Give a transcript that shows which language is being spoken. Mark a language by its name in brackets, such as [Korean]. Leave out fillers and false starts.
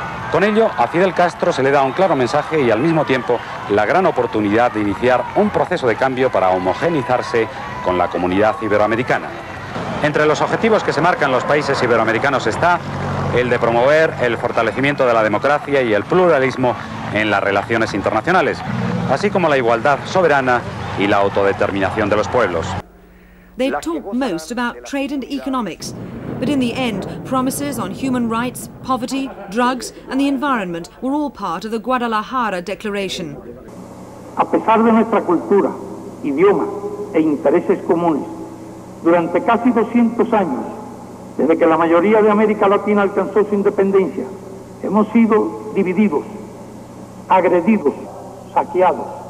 [Spanish] Con ello, a Fidel Castro se le da un claro mensaje y al mismo tiempo la gran oportunidad de iniciar un proceso de cambio para homogeneizarse con la comunidad iberoamericana. Entre los objetivos que se marcan los países iberoamericanos está el de promover el fortalecimiento de la democracia y el pluralismo en las relaciones internacionales, así como la igualdad soberana y la autodeterminación de los pueblos. [English] They talk most about trade and economics, but in the end, promises on human rights, poverty, drugs and the environment were all part of the Guadalajara Declaration. [Spanish] A pesar de nuestra cultura, idioma e intereses comunes, durante casi 200 años, desde que la mayoría de América Latina alcanzó su independencia, hemos sido divididos, agredidos, saqueados.